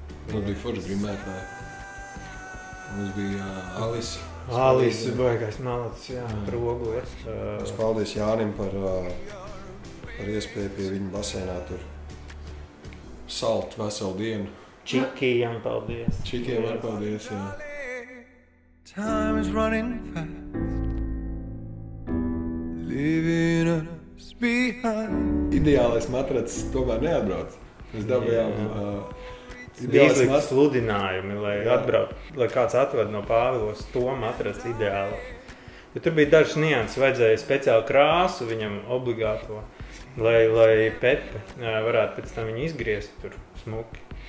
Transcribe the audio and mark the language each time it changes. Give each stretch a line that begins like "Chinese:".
Latvian: Nu, bija forši grimētāji. Mums bija Alice. Alice, baigais malacis, jā, par ogu. Es paldies Jānim par iespēju pie viņa basēnā tur salt veselu dienu. Čikijam paldies. Čikijam arī paldies, jā.
English: Time is running fast, leaving us behind.
Latvian: Ideālais matracis tomēr neatbrauc. Mēs dabūjām ideālais matracis. Sludinājumi, lai atbrauc, lai kāds atved no Pāvilos to matracu ideālo. Jo tur bija dažs nianses, vajadzēja speciālu krāsu viņam obligāto, lai Pepe varētu pēc tam viņu izgriezt tur smuki.